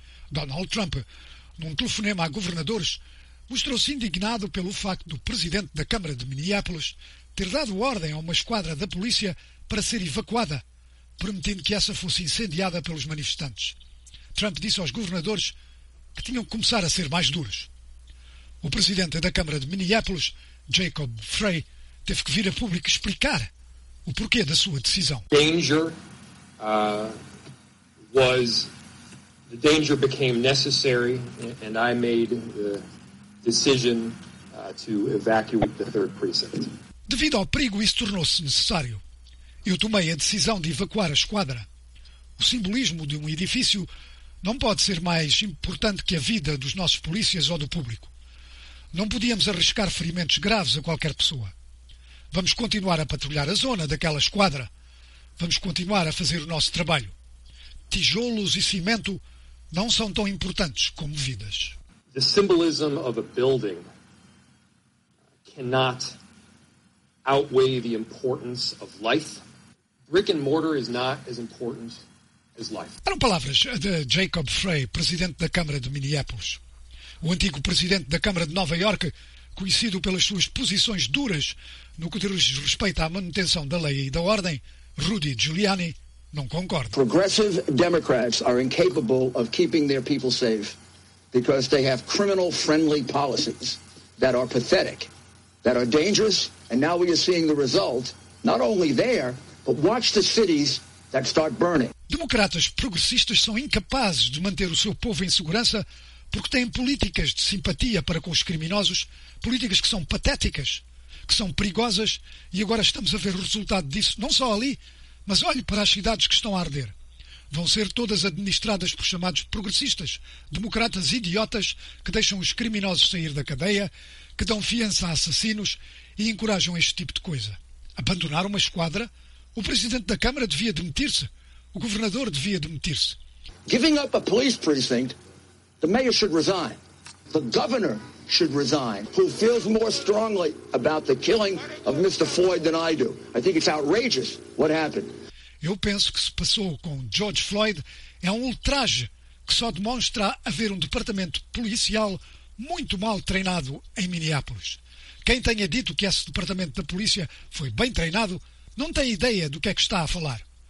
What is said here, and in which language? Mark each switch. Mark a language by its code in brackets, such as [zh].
[pt] Donald Trump, num telefonema a governadores, mostrou-se indignado pelo facto do presidente da Câmara de Minneapolis ter dado ordem a uma esquadra da polícia para ser evacuada, permitindo que essa fosse incendiada pelos manifestantes. Trump disse aos governadores que tinham que começar a ser mais duros. O presidente da Câmara de Minneapolis, Jacob Frey, teve que vir a público explicar o porquê da sua decisão. [en] Danger was the danger became necessary and I made the decision to evacuate the third precinct. [pt] Devido ao perigo, isso tornou-se necessário. Eu tomei a decisão de evacuar a esquadra. O simbolismo de um edifício não pode ser mais importante que a vida dos nossos polícias ou do público. Não podíamos arriscar ferimentos graves a qualquer pessoa. Vamos continuar a patrulhar a zona daquela esquadra. Vamos continuar a fazer o nosso trabalho. Tijolos e cimento não são tão importantes como vidas. [en] The symbolism of a building cannot outweigh the importance of life. Brick and mortar is not as important as life. [pt] Eram palavras de Jacob Frey, presidente da Câmara de Minneapolis. O antigo presidente da Câmara de Nova Iorque conhecido pelas suas posições duras no que diz respeito à manutenção da lei e da ordem, Rudy Giuliani não concorda. [en] Progressive Democrats are incapable of keeping their people safe because they have criminal-friendly policies that are pathetic, that are dangerous, and now we are seeing the result, not only there, but watch the cities that start burning. [pt] Democratas progressistas são incapazes de manter o seu povo em segurança porque têm políticas de simpatia para com os criminosos, políticas que são patéticas, que são perigosas, e agora estamos a ver o resultado disso, não só ali, mas olhe para as cidades que estão a arder. Vão ser todas administradas por chamados progressistas, democratas idiotas que deixam os criminosos sair da cadeia, que dão fiança a assassinos e encorajam este tipo de coisa. Abandonar uma esquadra? O presidente da Câmara devia demitir-se. O governador devia demitir-se. [en] Giving up a police precinct, the mayor should resign. The governor should resign, who feels more strongly about the killing of Mr. Floyd than I do. I think it's outrageous what happened. [pt] Eu penso que se passou com George Floyd é um ultraje que só demonstra haver um departamento policial muito mal treinado em Minneapolis. Quem tenha dito que esse departamento da polícia foi bem treinado não tem ideia do que é que está a falar.